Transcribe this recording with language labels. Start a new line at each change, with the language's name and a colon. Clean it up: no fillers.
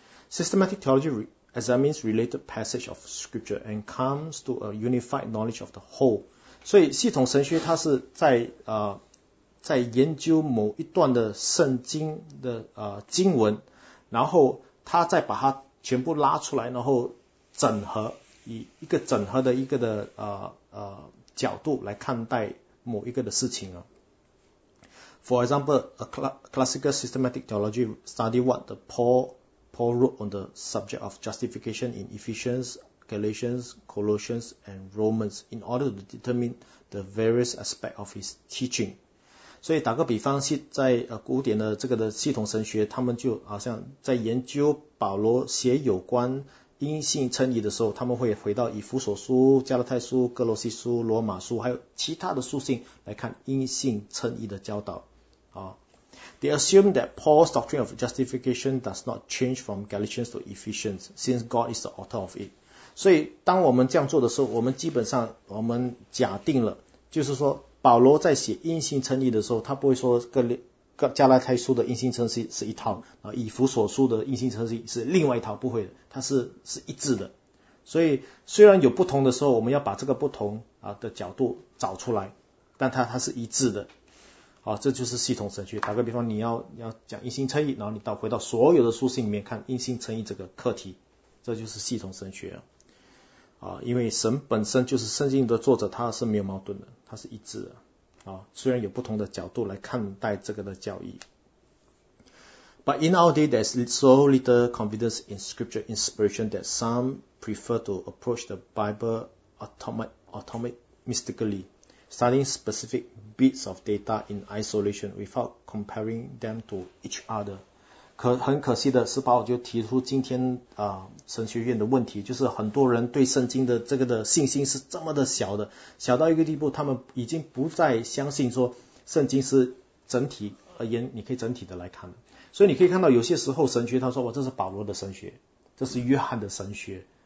English: Systematic theology examines related passage of scripture and comes to a unified knowledge of the whole。
Chinese: 所以系统神学它是在研究某一段的圣经的经文，然后它再把它全部拉出来，然后整合，以一个整合的一个的角度来看待某一个的事情啊。
English: For example, a classical systematic theology study what the Paul wrote on the subject of justification in Ephesians, Galatians, Colossians, and Romans in order to determine the various aspects of his teaching。
Chinese: 所以打个比方，在古典的这个的系统神学，他们就好像在研究保罗写有关因信称义的时候，他们会回到以弗所书、加拉太书、哥罗西书、罗马书，还有其他的书信来看因信称义的教导。
English: They assume that Paul's doctrine of justification does not change from Galatians to Ephesians, since God is the author of it.
Chinese: 所以当我们这样做的时候，我们假定了，就是说保罗在写因信称义的时候，他不会说加拉太书的因信称义是一套，以弗所书的因信称义是另外一套，不会的，它是一致的。所以虽然有不同的时候，我们要把这个不同的角度找出来，但它是一致的。这就是系统神学。打个比方，你要讲因信称义，然后你到回到所有的书信里面看因信称义这个课题，这就是系统神学。因为神本身就是圣经的作者，他是没有矛盾的，他是一致的虽然有不同的角度来看待这个的教义。
English: But in our day, there's so little confidence in scripture inspiration that some prefer to approach the Bible automatic mystically, studying specific bits of data in isolation without comparing them to each other.
Chinese: 很可惜的是，把我就提出今天神学院的问题，就是很多人对圣经的这个的信心是这么的小的，小到一个地步，他们已经不再相信说圣经是整体而言，你可以整体的来看的。所以你可以看到，有些时候神学他说这是保罗的神学，这是约翰的神学。